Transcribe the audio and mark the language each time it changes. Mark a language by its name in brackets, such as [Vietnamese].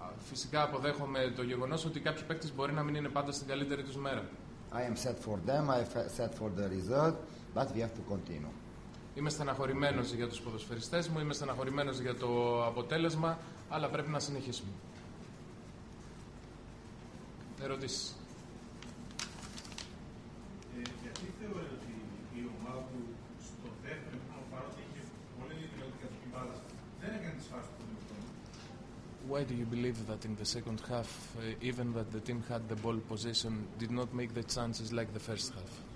[Greek] Φυσικά αποδέχομαι το γεγονός ότι κάποιοι παίκτες μπορεί να μην είναι πάντα στην καλύτερη τους μέρα. [English] I am sad for them, I am sad for the result, but we have to continue. [Greek] Είμαι στεναχωρημένος για τους ποδοσφαιριστές μου, είμαι στεναχωρημένος για το αποτέλεσμα, αλλά πρέπει να συνεχίσουμε. Ερωτήσεις. Γιατί θεωρείτε ότι η ομάδα του στο δεύτερο χρόνο, παρότι είχε πολύ ιδιαίτερη κατοχή μπάλας, δεν έκανε τις φάσεις που ήθελε. [English] Why do you believe that in the second half, even that the team had the ball position, did not make the chances like the first half?